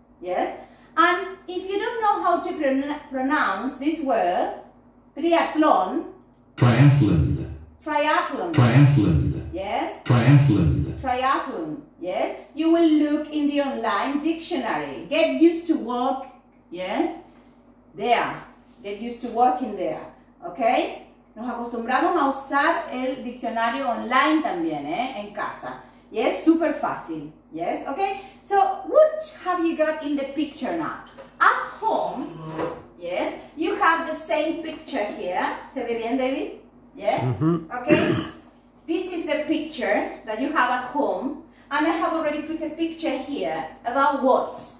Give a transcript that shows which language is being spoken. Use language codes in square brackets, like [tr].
[en] Yes, and if you don't know how to pronounce this word, triathlon, triathlon, triathlon, triathlon, yes, triathlon, triathlon, yes, you will look in the online dictionary. Get used to work, yes, there, get used to working there, okay? [es] Nos acostumbramos a usar el diccionario online también, en casa. [en] Yes, [es] super fácil. [en] Yes, okay. So, what have you got in the picture now? At home, yes, you have the same picture here. [es] ¿Se ve bien, David? [en] Yes? Mm-hmm. Okay. This is the picture that you have at home. And I have already put a picture here about what?